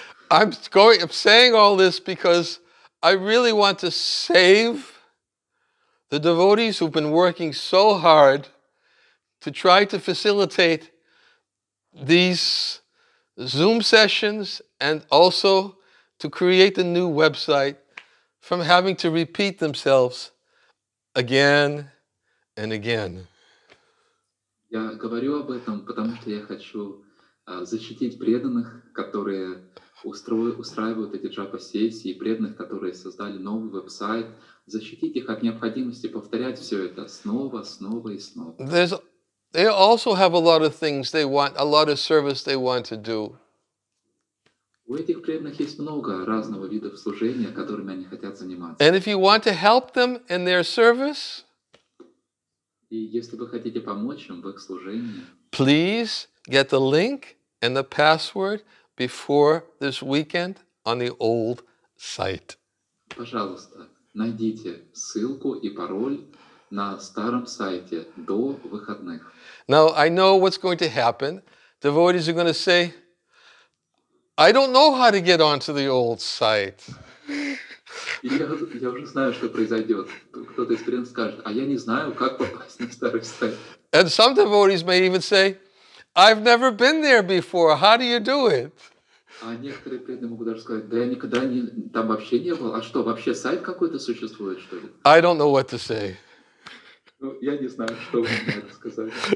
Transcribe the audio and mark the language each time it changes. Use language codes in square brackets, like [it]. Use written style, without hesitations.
[en] I'm saying all this because I really want to save the devotees who've been working so hard to try to facilitate these Zoom sessions and also to create a new website from having to repeat themselves again and again. [ru] Я говорю об этом, потому что я хочу защитить преданных, которые устраивают эти джапа-сессии, преданных, которые создали новый веб-сайт, защитить их от необходимости повторять все это снова, снова и снова. [en] They also have a lot of things they want, a lot of service they want to do. [ru] У этих преданных есть много разного видов служения, которыми они хотят заниматься. [en] And if you want to help them in their service, [ru] и если вы хотите помочь им в их служении, [en] please get the link and the password before this weekend on the old site. [ru] Пожалуйста, найдите ссылку и пароль на старом сайте до выходных. [en] Now I know what's going to happen. Devotees are going to say, I don't know how to get onto the old site. [ru] Я уже знаю, что произойдет. Кто-то из преданных скажет, а я не знаю, как попасть на старый сайт. [en] And some devotees may even say, I've never been there before. How do you do it? [ru] А некоторые преданные могут даже сказать, да я никогда не, там вообще не был. А что, вообще сайт какой-то существует, что ли? [en] I don't know what to say. [ru] Ну, я не знаю, что мне надо сказать.